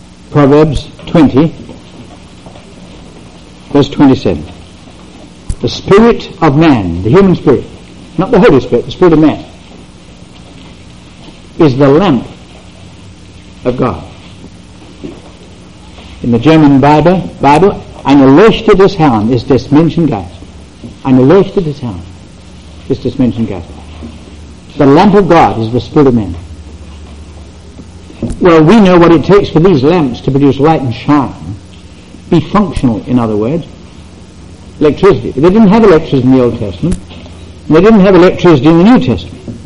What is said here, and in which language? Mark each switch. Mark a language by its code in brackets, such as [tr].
[en] Proverbs 20, verse 27. The spirit of man, the human spirit, not the Holy Spirit, the spirit of man, is the lamp of God. In the German Bible, [de] eine Leuchte des Herrn ist des Menschen Geist. Eine Leuchte des Herrn ist des Menschen Geist. [en] The lamp of God is the spirit of man. Well, we know what it takes for these lamps to produce light and shine. Be functional, in other words. Electricity. They didn't have electricity in the Old Testament. They didn't have electricity in the New Testament.